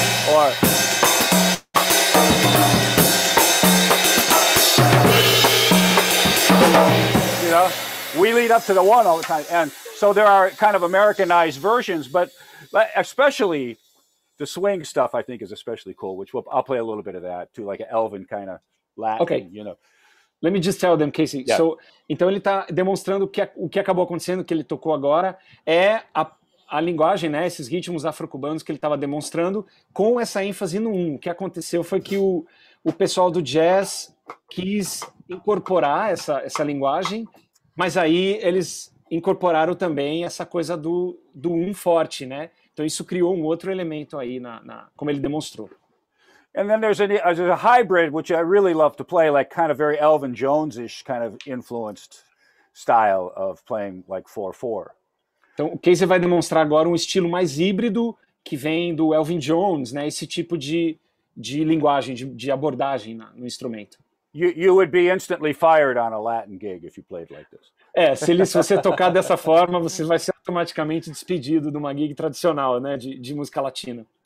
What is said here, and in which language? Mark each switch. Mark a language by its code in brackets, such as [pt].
[en] Or we lead up to the 1 all the time. And so there are kind of Americanized versions, but especially the swing stuff, I think, is especially cool, which I'll play a little bit of that too, like an Elvin kind of Latin, okay, you know. Let me just tell them, Casey. Yeah. [pt] So, então ele está demonstrando que o que acabou acontecendo, que ele tocou agora, é a linguagem, né, esses ritmos afro-cubanos que ele estava demonstrando com essa ênfase no 1. O que aconteceu foi que o pessoal do jazz quis incorporar essa linguagem. Mas aí eles incorporaram também essa coisa do um forte, né? Então isso criou um outro elemento aí na como ele demonstrou. [en] And then there's a hybrid, which I really love to play, like kind of very Elvin Jones-ish kind of influenced style of playing like 4/4. [pt] Então o Casey vai demonstrar agora um estilo mais híbrido que vem do Elvin Jones, né? Esse tipo de linguagem, de abordagem no instrumento. [en] You would be instantly fired on a Latin gig if you played like this. [pt] É, se você tocar dessa forma, você vai ser automaticamente despedido de uma gig tradicional, né, de música latina.